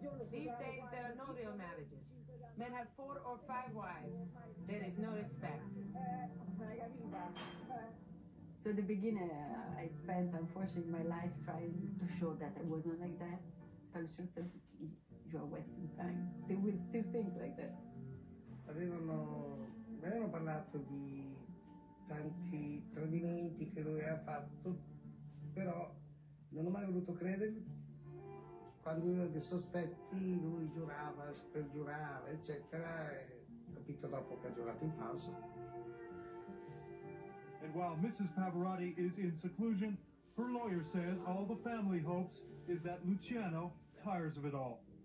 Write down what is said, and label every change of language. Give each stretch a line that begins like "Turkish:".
English: These days, there are no real marriages. Men have 4 or 5 wives. There is no respect. So at the beginning, I spent, unfortunately, my life trying to show that I wasn't like that. But just said, you are wasting time. They will still think like that.
Italian: Avevano parlato di tanti tradimenti che lui ha fatto, però non ho mai voluto credere. Quando io ero dei sospetti, lui giurava, spergiurava, eccetera, e capito dopo che ha giurato in falso.
English: And while Mrs. Pavarotti is in seclusion, her lawyer says all the family hopes is that Luciano tires of it all.